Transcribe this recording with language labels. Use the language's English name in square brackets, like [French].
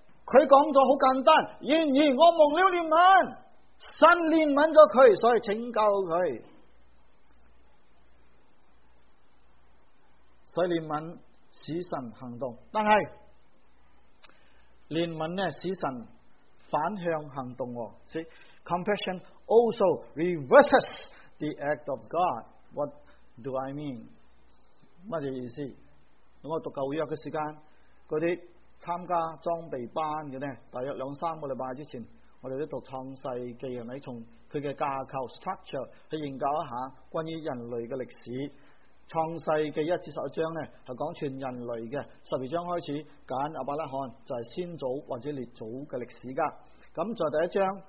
[Chinese] 他讲了很简单，然而我蒙了怜悯，神怜悯了他，所以拯救他。所以怜悯使神行动，但是怜悯使神反向行动。 [English] See, Compassion also reverses the act of God. What do I mean? [Chinese] 什么意思？我读旧约的时间，那些参加装备班的呢，大约两三个礼拜之前，我们都读创世纪，从它的架构 structure 去研究一下关于人类的历史。创世纪一至十一章呢，是讲全人类的。十二章开始讲亚伯拉罕，就是先祖或者列祖的历史的。咁在第一章